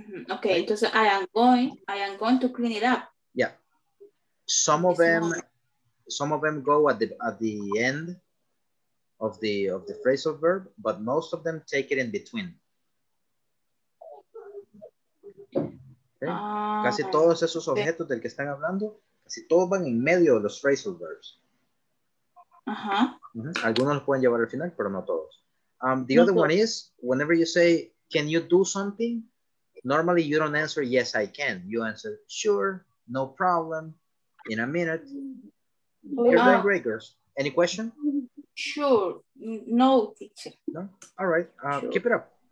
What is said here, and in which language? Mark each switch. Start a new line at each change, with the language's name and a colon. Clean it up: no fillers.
English: Okay, right? So I am going to clean it up. Yeah. Some of them go at the end of the phrasal verb, but most of them take it in between. Okay.
Spanish: Casi todos esos objetos del que están hablando, casi todos van en medio de los phrasal verbs. Algunos los pueden llevar al final, pero no todos.
English: The other one is, whenever you say, can you do something? Normally you don't answer, yes, I can. You answer, sure, no problem, in a minute. You're doing great, girls. Any question? Sure, no, teacher. No? All right, sure. Keep it up.